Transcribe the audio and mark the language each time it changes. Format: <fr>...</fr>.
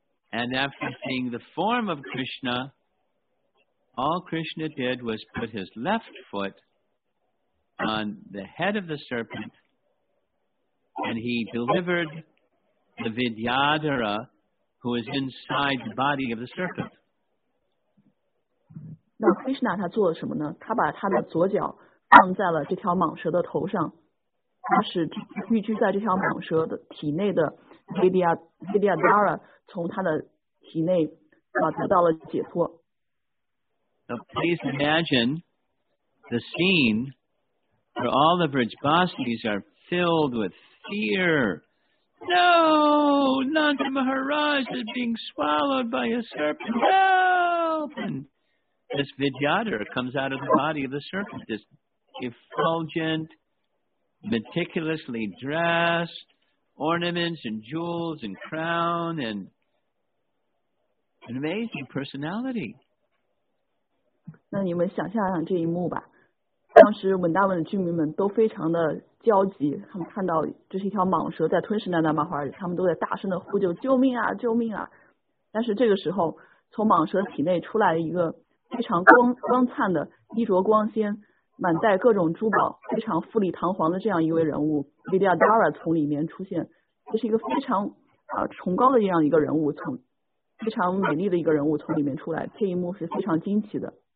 <en>And after seeing the form of Krishna, all Krishna did was put his left foot on the head of the serpent, and he delivered the Vidyadhara, who is inside the body of the serpent.</en> <zh>那 Krishna 他做了什么呢？他把他的左脚放在了这条蟒蛇的头上，他使寓居在这条蟒蛇的体内的 Vidyadhara 从他的体内啊得到了解脱。</zh> <en>So please imagine the scene where all the Vrijbasis are filled with fear. No, Nanda Maharaj is being swallowed by a serpent. Help! And this Vidyadhara comes out of the body of the serpent, this effulgent, meticulously dressed, ornaments and jewels and crown and an amazing personality.</en> <zh>那你们想象一下这一幕吧，当时文达文的居民们都非常的焦急，他们看到这是一条蟒蛇在吞噬南达马花，他们都在大声的呼救，救命啊救命啊，但是这个时候从蟒蛇体内出来一个非常 光灿的衣着光鲜满载各种珠宝非常富丽堂皇的这样一位人物 Vidyadhara 从里面出现，这是一个非常崇高的这样一个人物，从非常美丽的一个人物从里面出来，这一幕是非常惊奇的。</zh>